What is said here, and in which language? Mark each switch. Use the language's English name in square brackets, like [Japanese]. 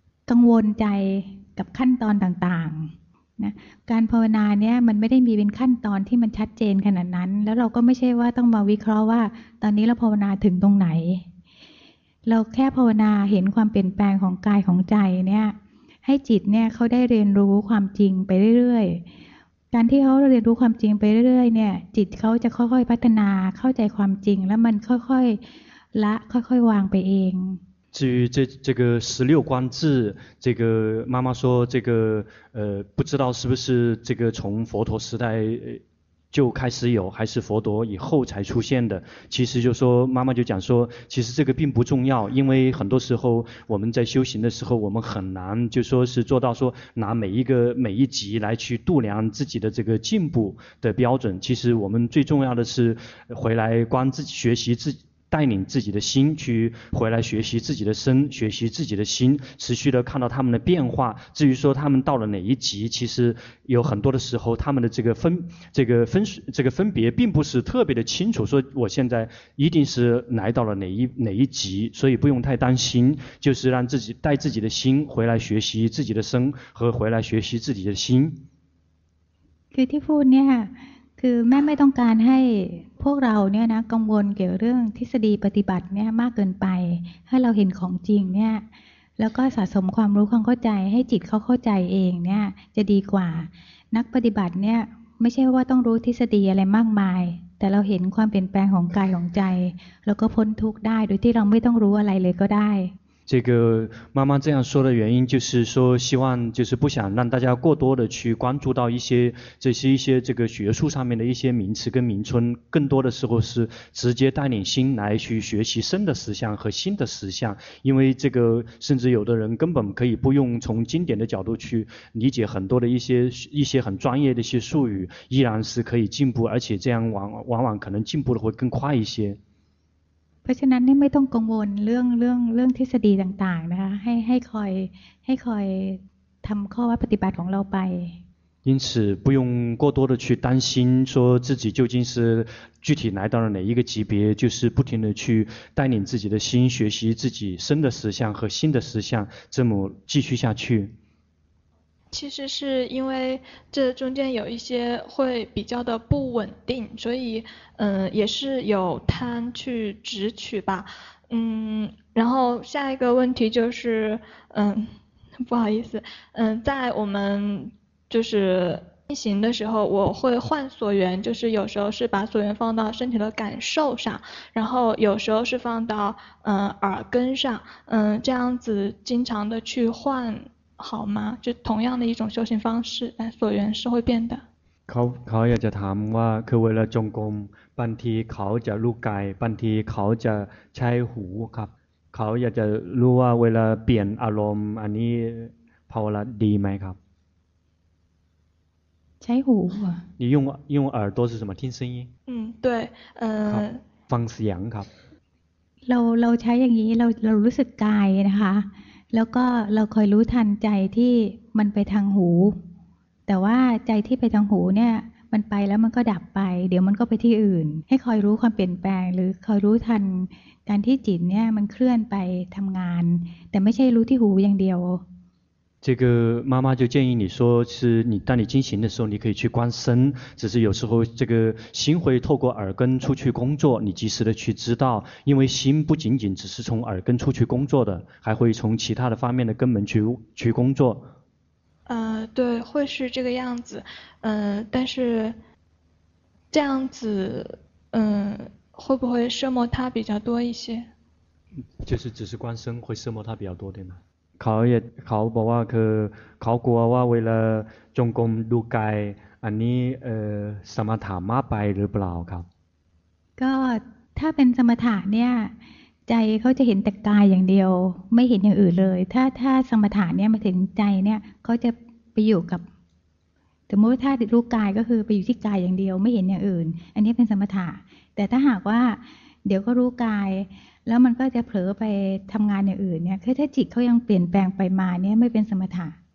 [Thai] กังวลใจกับขั้นตอนต่างๆนะการภาวนาเนี่ยมันไม่ได้มีเป็นขั้นตอนที่มันชัดเจนขนาดนั้นแล้วเราก็ไม่ใช่ว่าต้องมาวิเคราะห์ว่าตอนนี้เราภาวนาถึงตรงไหนเราแค่ภาวนาเห็นความเปลี่ยนแปลงของกายของใจเนี่ยให้จิตเนี่ยเขาได้เรียนรู้ความจริงไปเรื่อยๆการที่เขาเรียนรู้ความจริงไปเรื่อยๆเนี่ยจิตเขาจะค่อยๆพัฒนาเข้าใจความจริงแล้วมันค่อย ละค่อยๆวางไปเอง [Chinese] 至于这个十六观智，这个妈妈说这个不知道是不是这个从佛陀时代就开始有，还是佛陀以后才出现的。其实就说妈妈就讲说，其实这个并不重要，因为很多时候我们在修行的时候，我们很难就说是做到说拿每一级来去度量自己的这个进步的标准。其实我们最重要的是回来观自己，学习自己。带领自己的心去回来学习自己的身，学习自己的心，持续的看到他们的变化。至于说他们到了哪一级，其实有很多的时候他们的这个分别并不是特别的清楚，说我现在一定是来到了哪一级，所以不用太担心，就是让自己带自己的心回来学习自己的身和回来学习自己的心。 [Thai] คือที่พูดเนี่ยคือแม่ไม่ต้องการให้พวกเราเนี่ยนะกังวลเกี่ยวเรื่องทฤษฎีปฏิบัติเนี่ยมากเกินไปให้เราเห็นของจริงเนี่ยแล้วก็สะสมความรู้ความเข้าใจให้จิตเขาเข้าใจเองเนี่ยจะดีกว่านักปฏิบัติเนี่ยไม่ใช่ว่าต้องรู้ทฤษฎีอะไรมากมายแต่เราเห็นความเปลี่ยนแปลงของกายของใจแล้วก็พ้นทุกข์ได้โดยที่เราไม่ต้องรู้อะไรเลยก็ได้ [Chinese] 这个妈妈这样说的原因就是说希望就是不想让大家过多的去关注到一些这个学术上面的一些名词跟名称，更多的时候是直接带领心来去学习身的实相和心的实相。因为这个甚至有的人根本可以不用从经典的角度去理解很多的一些很专业的一些术语，依然是可以进步，而且这样往往可能进步的会更快一些。 [Thai] เพราะฉะนั้นไม่ต้องกังวลเรื่องทฤษฎีต่างๆนะคะให้คอยทำข้อว่าปฏิบัติของเราไป [Chinese] 因此不用过多的去担心说自己究竟是具体来到了哪一个级别，就是不停的去带领自己的心学习自己身的实相和心的实相，这么继续下去。其实是因为这中间有一些会比较的不稳定，所以也是有贪去执取吧。然后下一个问题就是不好意思，在我们就是进行的时候，我会换所缘，就是有时候是把所缘放到身体的感受上，然后有时候是放到耳根上，这样子经常的去换好吗？就同样的一种修行方式，哎，所缘是会变的。 [Thai] เขาอยากจะถามว่าคือเวลาจงกรมบางทีเขาจะรู้กายบางทีเขาจะใช้หูครับเขาอยากจะรู้ว่าเวลาเปลี่ยนอารมณ์อันนี้ภาวนาดีไหมครับ ใช้หู [Chinese] 你用耳朵是什么听声音？对， [Thai] ฟังเสียงครับ เราใช้อย่างนี้เรารู้สึกกายนะคะแล้วก็เราคอยรู้ทันใจที่มันไปทางหูแต่ว่าใจที่ไปทางหูเนี่ยมันไปแล้วมันก็ดับไปเดี๋ยวมันก็ไปที่อื่นให้คอยรู้ความเปลี่ยนแปลงหรือคอยรู้ทันการที่จิตเนี่ยมันเคลื่อนไปทำงานแต่ไม่ใช่รู้ที่หูอย่างเดียว [Chinese] 这个妈妈就建议你说是你当你进行的时候你可以去观身，只是有时候这个心会透过耳根出去工作，你及时的去知道，因为心不仅仅只是从耳根出去工作的，还会从其他的方面的根本去工作。对，会是这个样子。但是这样子会不会摄摩他比较多一些？就是只是观身会摄摩他比较多，对吗？ [Thai] เขาบอกว่าคือเขากลัวว่าเวลาจงกรมดูกายอันนี้สมถะมากไปหรือเปล่าครับ ก็ถ้าเป็นสมถะเนี่ยใจเขาจะเห็นแต่กายอย่างเดียวไม่เห็นอย่างอื่นเลยถ้าสมถะเนี่ยมาถึงใจเนี่ยเขาจะไปอยู่กับสมมติถ้าดูกายก็คือไปอยู่ที่กายอย่างเดียวไม่เห็นอย่างอื่นอันนี้เป็นสมถะแต่ถ้าหากว่าเดี๋ยวก็รู้กายแล้วมันก็จะเผลอไปทำงานอย่างอื่นเนี่ยคือถ้าจิตเขายังเปลี่ยนแปลงไปมาเนี่ยไม่เป็นสมถะ